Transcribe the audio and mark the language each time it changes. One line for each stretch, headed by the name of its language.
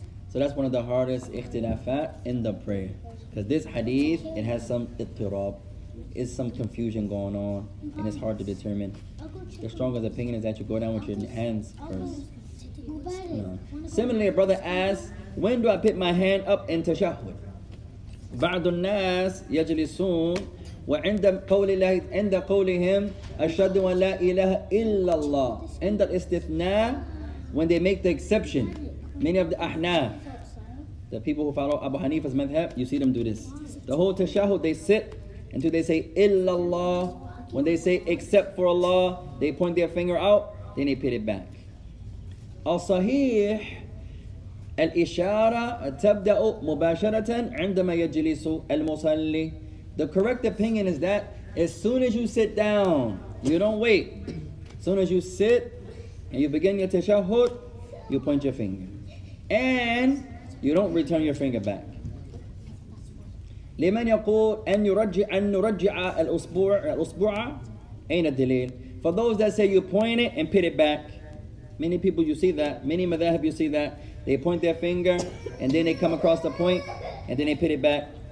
English: So that's one of the hardest ikhtilafat in the prayer. Because this hadith, it has some ittirab. It's some confusion going on, and it's hard to determine. The strongest opinion is that you go down with your hands first. No. Similarly, a brother asks, when do I put my hand up in tashahud?
Arabic: بعض الناس يجلسون وعند قول الله عند قولهم أشهد أن لا إله إلا الله عند الاستثناء
English: when they make the exception. Many of the أحناف, the people who follow Abu Hanifa's madhab, you see them do this. The whole tashahud, they sit until they say إلا الله. When they say except for Allah, they point their finger out, then they put it back.
Arabic: الصحيح الإشارة تبدأ مباشرة عندما يجلس المصلي.
English: The correct opinion is that as soon as you sit down, you don't wait. As soon as you sit and you begin your tashahud, you point your finger. And you don't return your finger back.
Arabic: لمن يقول أن يرجع أن نرجع الأسبوع الأسبوع أين الدليل؟
English: For those that say you point it and put it back, many people you see that, many madhahib you see that, they point their finger and then they come across the point and then they put it back.